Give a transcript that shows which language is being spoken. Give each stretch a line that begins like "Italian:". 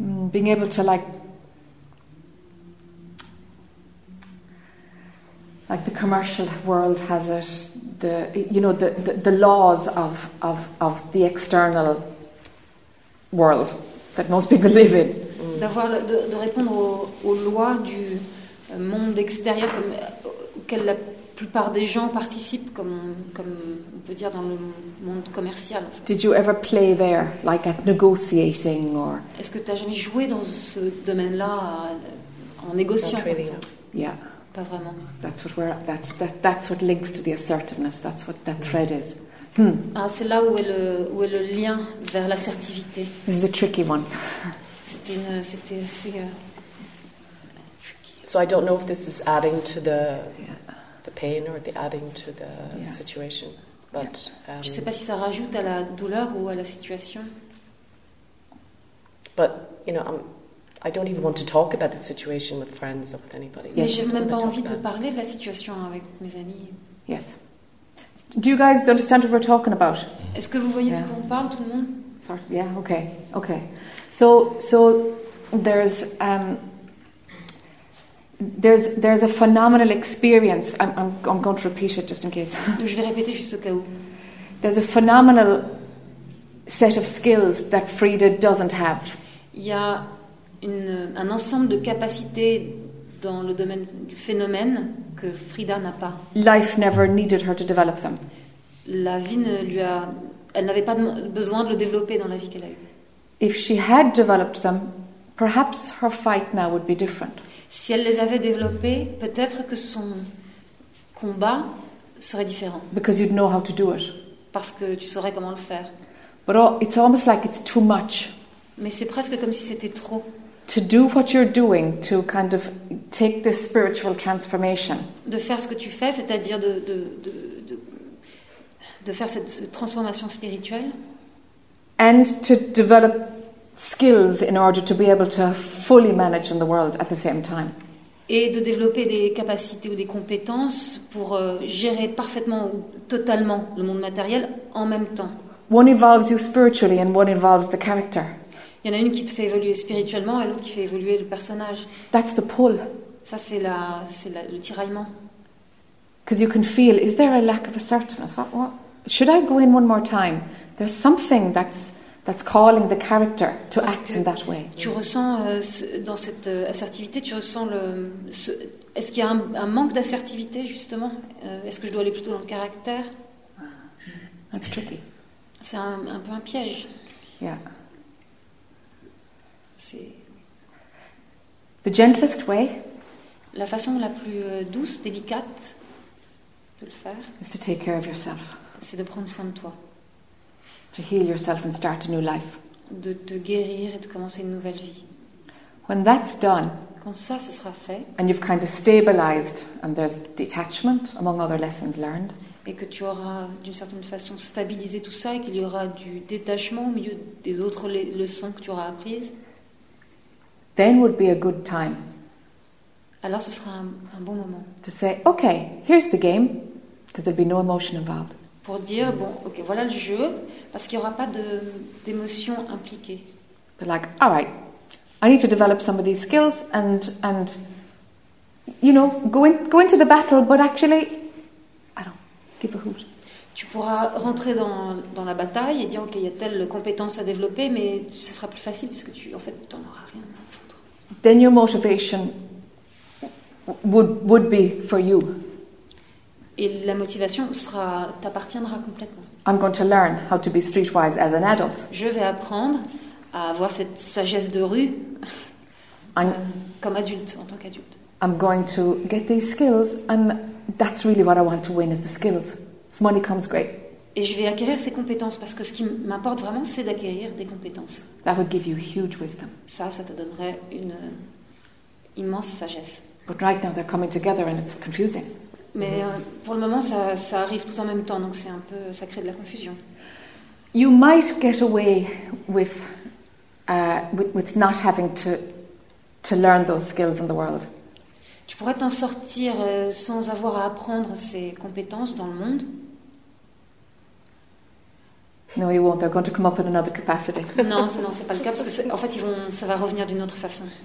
English: Being able to like the commercial world has it, the laws of the external world that most people live in.
French: D'avoir de répondre aux lois du monde extérieur comme auquel la plupart des gens participent, comme on peut dire dans le monde commercial.
English: Did you ever play there, like at negotiating or?
French: Est-ce que tu as jamais joué dans ce domaine-là en négociant?
English: Not really. Yeah.
French: Pas vraiment.
English: That's what we're. That's what links to the assertiveness. That's what that thread is.
French: Ah, c'est là où est le lien vers l'assertivité.
English: This is a tricky one.
French: C'était assez.
English: So I don't know if this is adding to the pain or the adding to the situation, but.
French: Je sais pas si ça rajoute à la douleur ou à la situation.
English: But you know I'm. I don't even want to talk about the situation with friends or with anybody. Yes.
French: Mais j'ai même pas envie de parler de la situation avec mes amis.
English: Yes. Do you guys understand what we're talking about?
French: Est-ce que vous voyez de quoi on parle, tout le monde?
English: Sorry. Yeah. Okay. Okay. So there's there's a phenomenal experience. I'm going to repeat it just in case.
French: Je vais répéter juste au cas où.
English: There's a phenomenal set of skills that Frida doesn't have.
French: Il y a un ensemble de capacités dans le domaine du phénomène que Frida n'a pas.
English: Life never needed her to develop them.
French: La vie ne lui a, elle n'avait pas besoin de le développer dans la vie qu'elle a eue.
English: If she had developed them, perhaps her fight now would be different.
French: Si elle les avait développées, peut-être que son combat serait différent.
English: Because you'd know how to do it.
French: Parce que tu saurais comment le faire.
English: But it's almost like it's too much.
French: Mais c'est presque comme si c'était trop.
English: To do what you're doing, to kind of take this spiritual transformation.
French: De faire ce que tu fais, c'est-à-dire de faire cette transformation spirituelle.
English: And to develop skills in order to be able to fully manage in the world at the same time.
French: Et de développer des capacités ou des compétences pour gérer parfaitement ou totalement le monde matériel en même temps.
English: One involves you spiritually and one involves the character.
French: Il y en a une qui te fait évoluer spirituellement et l'autre qui fait évoluer le personnage.
English: That's the pull.
French: Ça, c'est le tiraillement.
English: Because you can feel, is there a lack of assertiveness? What? Should I go in one more time? There's something that's calling the character to
French: Parce
English: act in that way.
French: Tu ressens dans cette assertivité, tu ressens est-ce qu'il y a un manque d'assertivité justement? Est-ce que je dois aller plutôt dans le caractère?
English: That's tricky.
French: C'est un peu un piège.
English: Yeah.
French: C'est
English: the gentlest way.
French: La façon la plus douce, délicate de le faire.
English: Is to take care of yourself.
French: C'est de prendre soin de toi.
English: To heal yourself and start a new life.
French: De te guérir et de commencer une nouvelle vie.
English: When that's done.
French: Quand ça, ce sera fait.
English: And you've kind of stabilized, and there's detachment among other lessons learned.
French: Et que tu auras d'une certaine façon stabilisé tout ça et qu'il y aura du détachement au milieu des autres leçons que tu auras apprises.
English: Then would be a good time.
French: Alors ce sera un bon moment.
English: To say, okay, here's the game, because there'll be no emotion involved.
French: Pour dire, bon, ok, voilà le jeu, parce qu'il n'y aura pas d'émotion impliquée.
English: But like, all right, I need to develop some of these skills and you know, go into the battle, but actually, I don't give a hoot.
French: Tu pourras rentrer dans la bataille et dire, ok, il y a telle compétence à développer, mais ce sera plus facile, puisque tu, en fait, tu n'en auras rien à foutre.
English: Then your motivation would be for you.
French: Et la motivation sera, t'appartiendra complètement.
English: I'm going to learn how to be streetwise as an adult.
French: Je vais apprendre à avoir cette sagesse de rue comme adulte, en tant qu'adulte.
English: I'm going to get these skills, and that's really what I want to win is the skills. If money comes, great.
French: Et je vais acquérir ces compétences parce que ce qui m'importe vraiment, c'est d'acquérir des compétences.
English: That would give you huge wisdom.
French: Ça te donnerait une immense sagesse.
English: But right now they're coming together and it's confusing.
French: Mais pour le moment, ça arrive tout en même temps, donc c'est un peu, ça crée de la confusion.
English: You might get away with not having to learn those skills in the world.
French: Tu pourrais t'en sortir sans avoir à apprendre ces compétences dans le monde.
English: No, you won't. They're going to come up in another capacity.
French: Non, c'est pas le cas parce que en fait, ça va revenir d'une autre façon.